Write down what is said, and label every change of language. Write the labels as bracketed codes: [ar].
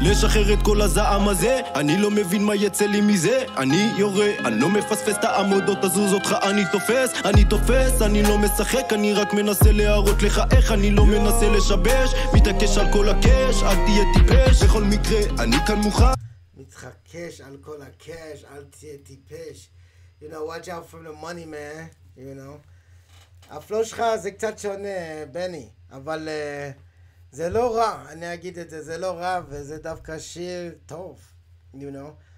[he] לשחרר את כל הזעם הזה, אני לא מבין מה יצא לי מזה, אני יורה, אני לא מפספס את העמודות, תזוז אותך, אני תופס, אני תופס, אני לא משחק, אני רק מנסה להראות לך איך, אני לא מנסה לשבש, מתעקש על כל הקש, אל תהיה טיפש, בכל מקרה, אני כאן מוכן. מתחקש על כל הקש, אל תהיה טיפש. [en] You know, watch out for the money, man, you know. [he] הפלו שלך זה קצת שונה, בני, אבל זה לא רע, אני אגיד את זה, זה לא רע, וזה דווקא שיר טוב, [en] you know.